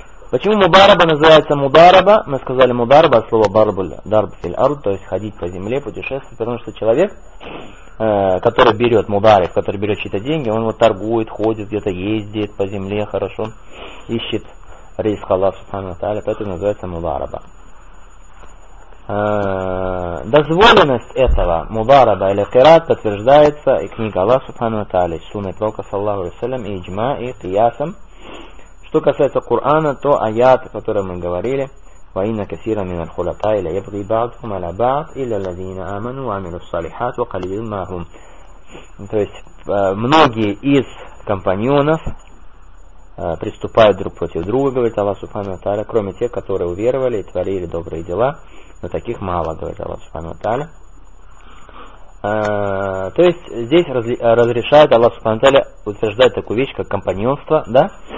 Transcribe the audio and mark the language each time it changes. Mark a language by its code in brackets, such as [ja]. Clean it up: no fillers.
[ru] Почему мубараба называется мубараба? Мы сказали мубараба, слово барбуль, дарб филь ард, то есть ходить по земле, путешествовать, потому что человек, который берет мубариб, который берет чьи-то деньги, он вот торгует, ходит, где-то ездит по земле, хорошо, ищет риск Аллаха субхана ва тааля, поэтому называется мубараба. Дозволенность этого мубараба или кират подтверждается и книга Аллаха субхана ва тааля, сунной пророка саллаху алейхи ва саллям, и иджма, и киясом. Что касается Кур'ана, то аят, о котором мы говорили, [ar] وَإِنَّ كَثِيرًا مِنَ الْخُلَطَاءِ لَيَبْغِي بَعْضُهُمْ عَلَى بَعْضٍ إِلَّا الَّذِينَ آمَنُوا وَعَمِلُوا الصَّالِحَاتِ وَقَلِيلٌ مَا هُمْ. [ru] То есть многие из компаньонов приступают друг против друга, говорит Аллах Субхану Таля, кроме тех, которые уверовали и творили добрые дела, но таких мало, говорит Аллах Субхану Таля. То есть здесь разрешает Аллах Субхану Таля утверждать такую вещь, как компаньонство, да?